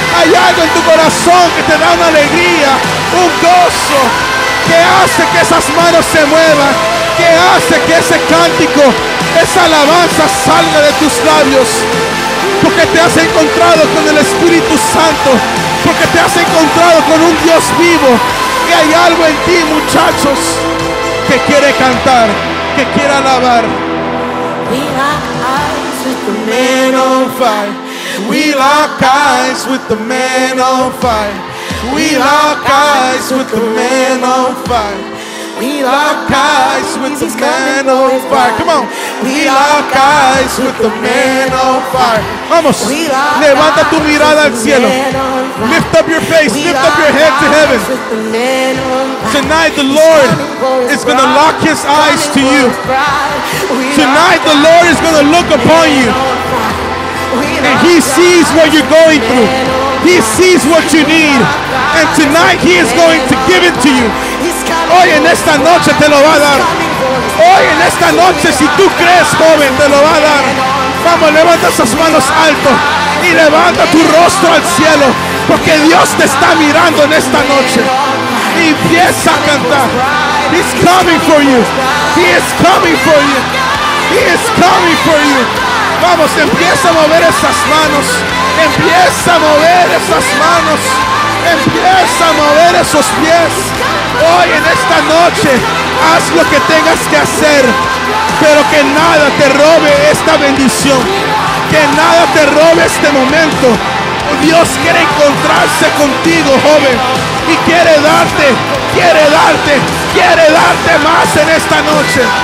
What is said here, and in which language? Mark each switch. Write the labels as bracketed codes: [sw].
[es] Hay algo en tu corazón que te da una alegría, un gozo, que hace que esas manos se muevan, que hace que ese cántico, esa alabanza salga de tus labios. Porque te has encontrado con el Espíritu Santo, porque te has encontrado con un Dios vivo. Y hay algo en ti, muchachos, que quiere cantar, que quiere alabar. [en] Man on fire, we lock eyes with the man on fire. We lock eyes with the man on fire. We lock eyes with the man on fire. Come on, we lock eyes with the man on fire. [es] Vamos, levanta tu mirada al cielo. [en] Lift up your face, lift up your head to heaven. Tonight the Lord is going to lock his eyes to you. Tonight the Lord is going to look upon you. And he sees what you're going through. He sees what you need. And tonight he is going to give it to you. [es] Hoy en esta noche te lo va a dar. Hoy en esta noche, si tú crees, joven, te lo va a dar. Vamos, levanta esas manos alto. Y levanta tu rostro al cielo. Porque Dios te está mirando en esta noche. Y empieza a cantar. [en] He's coming for you. He is coming for you. He is coming for you. [es] Vamos, empieza a mover esas manos. Empieza a mover esas manos. Empieza a mover esos pies. Hoy en esta noche, haz lo que tengas que hacer. Pero que nada te robe esta bendición. Que nada te robe este momento. Dios quiere encontrarse contigo, joven. Y quiere darte, quiere darte, quiere darte más en esta noche.